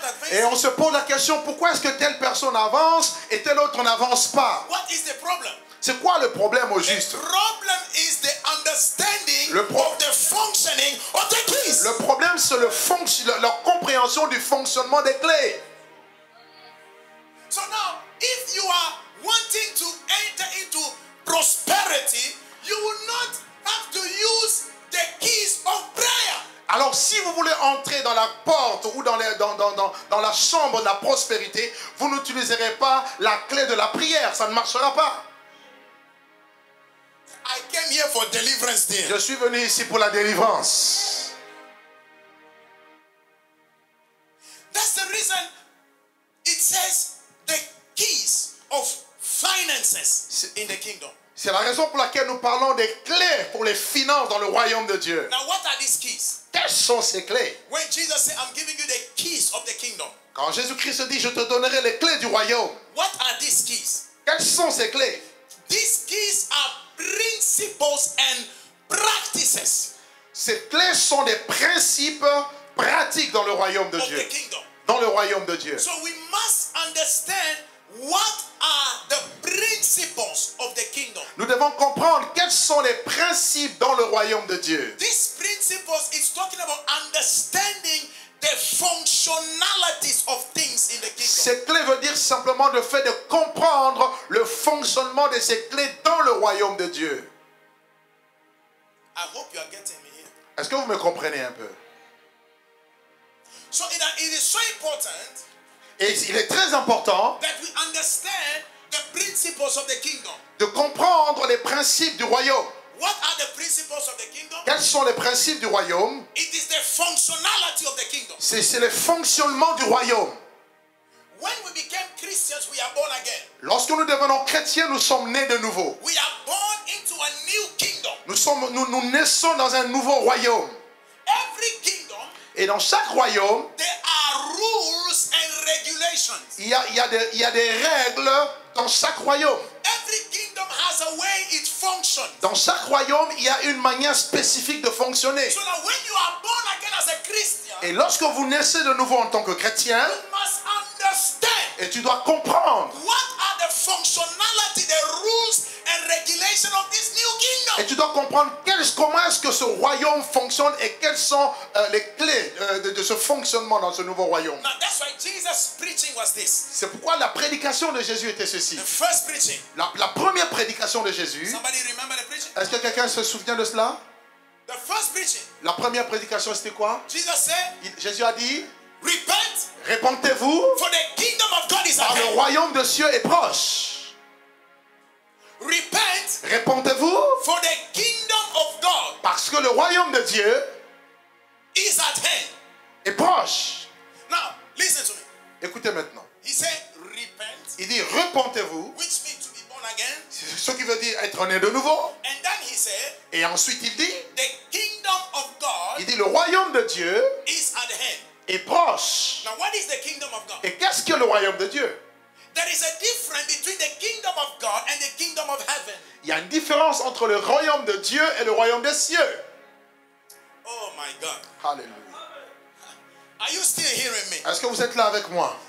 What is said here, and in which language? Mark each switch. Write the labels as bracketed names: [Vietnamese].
[French] Et on se pose la question, pourquoi est-ce que telle personne avance et telle autre n'avance pas? [English] What is the problem? [French] C'est quoi le problème au juste? Le problème, c'est la compréhension du fonctionnement des clés. [English] So now, if you are wanting to enter into prosperity, you will not have to use the keys of prayer. [French] Alors si vous voulez entrer dans la porte ou dans la chambre de la prospérité, vous n'utiliserez pas la clé de la prière, ça ne marchera pas. [English] I came here for deliverance, dear. [French] Je suis venu ici pour la délivrance. [English] That's the reason it says the keys of finances in the kingdom. [French] C'est la raison pour laquelle nous parlons des clés pour les finances dans le royaume de Dieu. [English] Now what are these keys? [French] Quelles sont ces clés? [English] When Jesus said, I'm giving you the keys of the kingdom. [French] Quand Jésus-Christ dit, je te donnerai les clés du royaume. [English] What are these keys? [French] Quelles sont ces clés? [English] These keys are principles and practices. [French] Ces clés sont des principes pratiques dans le royaume de [English] of [French] Dieu. [English] The kingdom. [French] Dans le royaume de Dieu. [English] So we must understand What are the principles of the kingdom? [French] Nous devons comprendre quels sont les principes dans le royaume de Dieu. [English] These principles is talking about understanding the functionalities of things in the kingdom. [French] Ces clés veut dire simplement le fait de comprendre le fonctionnement de ces clés dans le royaume de Dieu. [English] I hope you are getting me here. [French] Est-ce que vous me comprenez un peu? [English] So it is so important. [French] Et il est très important [English] that we understand the principles of the kingdom. [French] De comprendre les principes du royaume. [English] What are the principles of the kingdom? [French] Quels sont les principes du royaume? [English] It is the functionality of the kingdom. [French] C'est le fonctionnement du royaume. [English] When we became Christians, we are born again. [French] Lorsque nous devenons chrétiens, nous sommes nés de nouveau. [English] We are born into a new kingdom. [French] Nous naissons dans un nouveau royaume. [English] Every kingdom, [French] et dans chaque royaume, [English] there are rules and regulations. [French] Il y a des règles dans chaque royaume. [English] Every kingdom has a way it functions. [French] Dans chaque royaume, il y a une manière spécifique de fonctionner. [English] So that when you are born again as a Christian, [French] et lorsque vous naissez de nouveau en tant que chrétien, [English] you must understand. [French] Et tu dois comprendre. [English] What are the functionality, the rules and regulations of this new kingdom? [French] Et tu dois comprendre comment est-ce que ce royaume fonctionne et quelles sont les clés de ce fonctionnement dans ce nouveau royaume. [English] Now, that's why Jesus preaching was this. [French] C'est pourquoi la prédication de Jésus était ceci. [English] The first preaching. [French] La première prédication de Jésus. [English] Somebody remember the preaching? [French] Est-ce que quelqu'un se souvient de cela? [English] The first preaching. [French] La première prédication, c'était quoi? [English] Jesus said, [French] Jésus a dit, [English] repent, [French] repentez-vous, [English] for the kingdom of God is at hand. [French] Le royaume de Dieu est proche. [English] Repent, [French] repentez-vous, [English] for the kingdom of God, [French] parce que le royaume de Dieu [English] is at hand, [French] est proche. [English] Now, listen to me. [French] Écoutez maintenant. [English] He said, repent. [French] Il dit, repentez-vous, [English] which means to be born again. [French] Ce qui veut dire être né de nouveau. [English] And then he said, [French] et ensuite il dit, [English] the kingdom of God, [French] il dit, le royaume de Dieu [English] is at hand, [French] est proche. [English] Now, what is the kingdom of God? [French] Et qu'est-ce que le royaume de Dieu? [English] There is a difference between the kingdom of God and the kingdom of heaven. [French] Il y a une différence entre le royaume de Dieu et le royaume des cieux. [English] Oh my God. Hallelujah. Are you still hearing me? [French] Est-ce que vous êtes là avec moi?